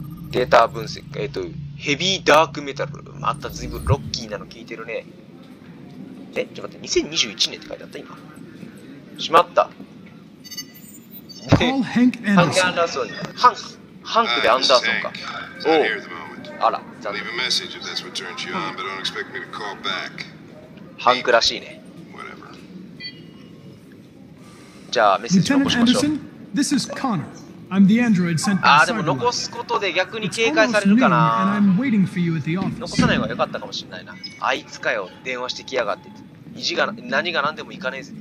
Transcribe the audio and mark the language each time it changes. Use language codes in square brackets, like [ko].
[ja] データ分析。ヘビーダークメタル。また随分ロッキーなの聞いてるね。え、ちょっと待って、2021年って書いてあった今。しまった。ハンク・アンダーソン。ハンクでアンダーソンか。おう。あら、残念。 [en] Leave a message if that's what turns you on, but don't expect me to call back. [ja] ハンクらしいね。Whatever. じゃあ、メッセージ残しましょう。 [en] This is Connor. I'm the android sent by Cyberlife. [ja] でも残すことで逆に警戒されるかな。残さない方が良かったかもしれないな。あいつかよ、電話してきやがって。意地が、何が何でもいかねえぜ。